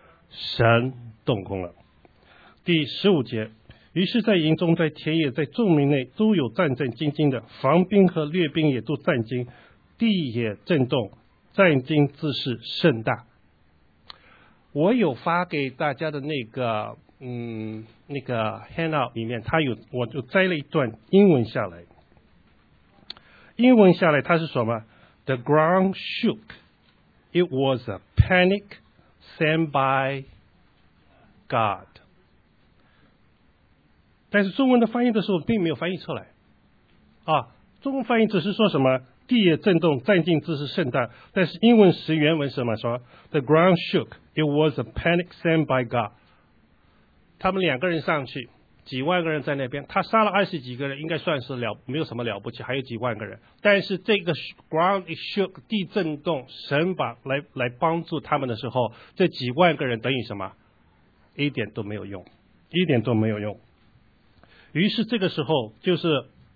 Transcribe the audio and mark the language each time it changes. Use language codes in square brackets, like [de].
[zh] 神动工了。第十五节，于是在营中，在田野，在众民内都有战战兢兢的，防兵和掠兵也都战兢，地也震动，战惊之势甚大。我有发给大家的那个那个 handout 里面，他有，我就摘了一段英文下来。英文下来他是什么？ [en] The ground shook. It was a panic sent by God. [zh] 但是中文的翻译的时候并没有翻译出来啊，中文翻译只是说什么？地也震动，战惊之势甚大。但是英文实原文是什么？ [en] 说 The ground shook. It was a panic sent by God. [zh] 他们两个人上去，几万个人在那边，他杀了二十几个人，应该算是了，没有什么了不起，还有几万个人。但是这个 [en] ground shook, [zh] 地震动，神把来帮助他们的时候，这几万个人等于什么？一点都没有用，一点都没有用。于是这个时候就是。